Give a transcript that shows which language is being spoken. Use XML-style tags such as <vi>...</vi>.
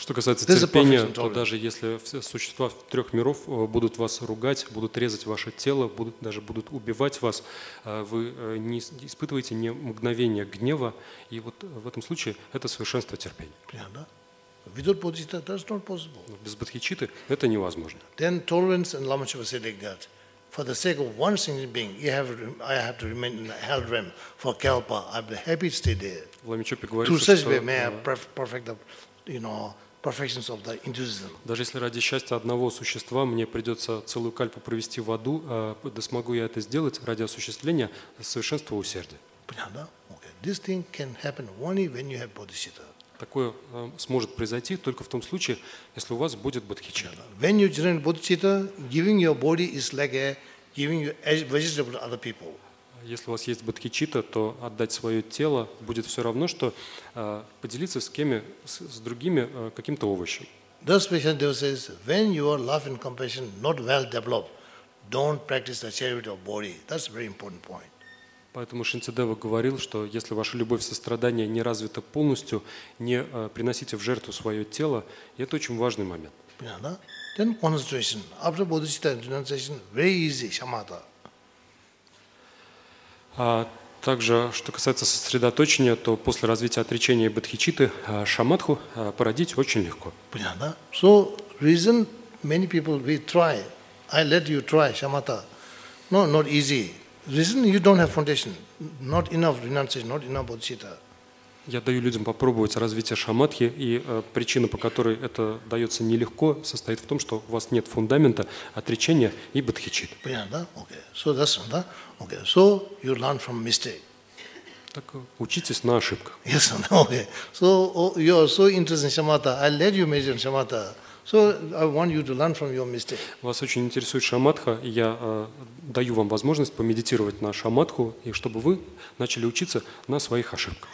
<ru>Что касается терпения, то даже если все существа трех миров будут вас ругать, будут резать ваше тело, будут убивать вас, вы не испытываете ни мгновения гнева, и вот в этом случае это совершенство терпения.</ru> <en>Without bodhicitta, that's not possible.</en> <ru>Без бодхичитты это невозможно.</ru> <en>Then tolerance and Lama Chöpa said like that. For the sake of one single being, I have to remain in the hell realm for kalpa. I'm the happy to stay there.</en> <ru>Lama Chöpa говорит,</ru> <en>to such way may I perfect the, you know, perfections of the enthusiasm.</en> <ru>Даже если ради счастья одного существа мне придется целую кальпу провести в аду, да смогу я это сделать ради осуществления совершенства усердия. Понятно? Okay.</ru> <en>This thing can happen only when you have bodhicitta.</en> <ru>Такое сможет произойти только в том случае, если у вас будет бодхичитта.</ru> <en>When you generate bodhicitta, giving your body is like giving your vegetable to other people.</en> <ru>Если у вас есть бодхичитта, то отдать свое тело будет все равно, что поделиться с кем-то, с другими каким-то овощем.</ru> <en>Thus, Shantideva says, when your love and compassion not well developed, don't practice the charity of body. That's a very important point.</en> <ru>Поэтому Шантидева говорил, что если ваша любовь и сострадание не развита полностью, не приносите в жертву свое тело, и это очень важный момент. Понятно?</ru> <en>Then concentration. After bodhicitta concentration, very easy, shamatha.</en> <ru>Также, что касается сосредоточения, то после развития отречения и бодхичитты, шамадху породить очень легко. Понятно?</ru> <en>So, reason many people, we try, I let you try, shamatha. No, not easy. Reason you don't have foundation, not enough renunciation, not enough bodhicitta.</en> <ru>Я даю людям попробовать развитие шамадхи, и причина, по которой это дается нелегко, состоит в том, что у вас нет фундамента отречения и бодхичитты. Понятно, да?</ru> <en>Okay. So that's right,</en> <ru>да?</ru> <en>Okay. So you learn from mistake.</en> <ru>Так учитесь на ошибках.</ru> <en>Yes, no, okay. So you are so interested in shamatha. I let you measure shamatha. So I want you to learn from your mistake.</en> <ru>Вас очень интересует шамадха, и я даю вам возможность помедитировать на шамадху, и чтобы вы начали учиться на своих ошибках.</ru>